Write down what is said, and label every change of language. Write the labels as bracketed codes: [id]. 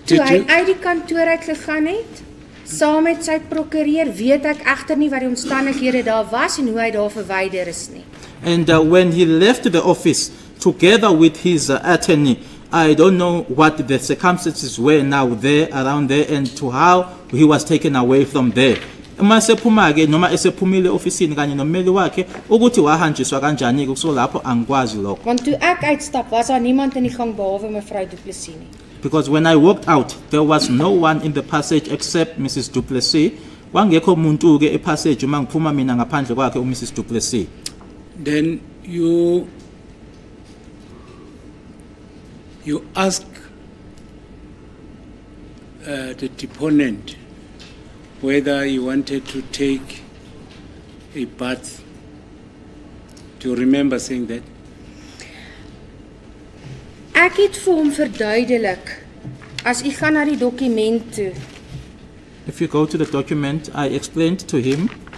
[af] Toe hy uit die kantoor uit gegaan het, saam met sy prokureur, weet ek egter nie wat die omstandighede daar was en hoe hy daar verwyder is nie. [en] And when he left the office together with his attorney, I don't know what the circumstances were now there around there and to how he was taken away from there. [zu] Uma sephuma ke noma esephumile ofisini kanye nommeli wakhe ukuthi wahanjiswa kanjani ke kusolapho angikwazi lokho. [af] Want toe ek uitstap was daar niemand in die gang behalwe mevrou Du Plessis nie. [en] Because when I walked out there was no one in the passage except Mrs. [zu] Du Plessis. Kwangekho umuntu ke epassage uma ngiphuma mina ngaphandle kwakhe u Mrs. Du Plessis. [en] Then you ask the deponent whether he wanted to take a bath. Do you remember saying that? [af] Ek het vir hom verduidelik as u gaan na die dokument toe. [en] If you go to the document, I explained to him.